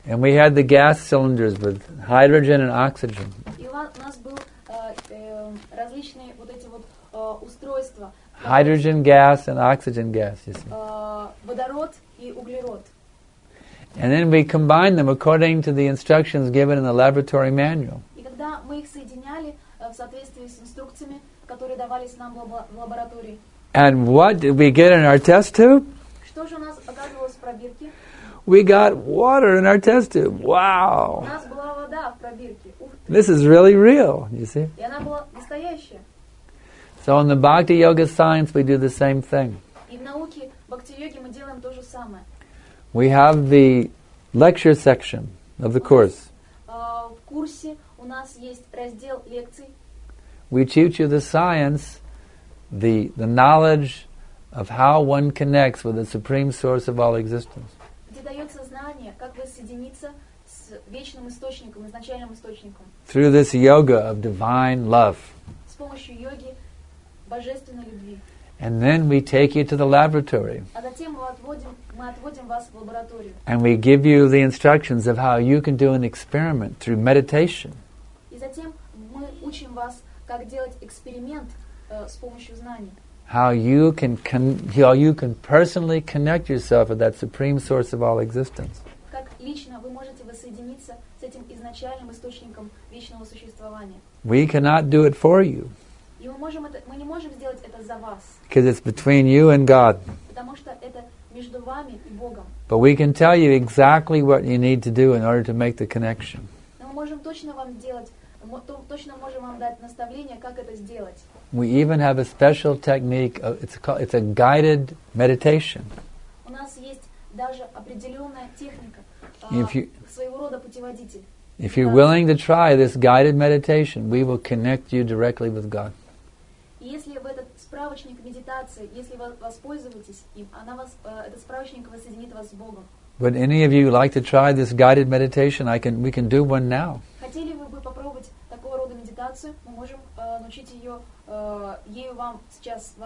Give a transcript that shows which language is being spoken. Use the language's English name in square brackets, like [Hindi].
[English] And we had the gas cylinders with hydrogen and oxygen. [Russian] И у нас был различные вот эти вот устройства. [English] Hydrogen gas and oxygen gas, you see. [Russian] Водород и углерод. [English] And then we combined them according to the instructions given in the laboratory manual. [Russian] И когда мы их соединяли в соответствии с инструкциями, которые давались нам в лаборатории. [English] And what did we get in our test tube? [Russian] Что же у нас оказывалось в пробирке? [English] We got water in our test tube. Wow. [Russian] У нас была вода в пробирке. [English] This is really real, you see. [Russian] И она была настоящая. [English] So in the Bhakti Yoga science, we do the same thing. [Russian] И в науке Бхакти Йоги мы делаем то же самое. [English] We have the lecture section of the course. [Russian] В курсе у нас есть раздел лекций. [English] We teach you the science, the knowledge of how one connects with the supreme source of all existence. [Russian] Где дается знание, как воссоединиться с вечным источником, изначальным источником. [English] Through this yoga of divine love. [Russian] С помощью йоги божественной любви. [English] And then we take you to the laboratory. [Russian] А затем мы отводим вас в лабораторию. [English] And we give you the instructions of how you can do an experiment through meditation. [Russian] И затем мы учим вас, как делать эксперимент с помощью знаний. [English] How you can personally connect yourself with that supreme source of all existence. [Russian] Как лично вы можете воссоединиться с этим изначальным источником вечного существования. [English] We cannot do it for you. [Russian] И мы не можем сделать это за вас. [English] Because it's between you and God. [Russian] Потому что это между вами и Богом. [English] But we can tell you exactly what you need to do in order to make the connection. [Russian] Но мы можем точно вам делать. Точно можем вам дать наставление, как это сделать. [English] We even have a special technique. It's a guided meditation. [Russian] У нас есть даже определенная техника, своего рода путеводитель. [English] If you're willing to try this guided meditation, we will connect you directly with God. [Russian] Если вы этот справочник медитации, если вы воспользуетесь им, этот справочник воссоединит вас с Богом. [English] Would any of you like to try this guided meditation? We can do one now. [Russian] Хотели бы вы попробовать такого рода медитацию? Мы можем научить ее ею вам сейчас.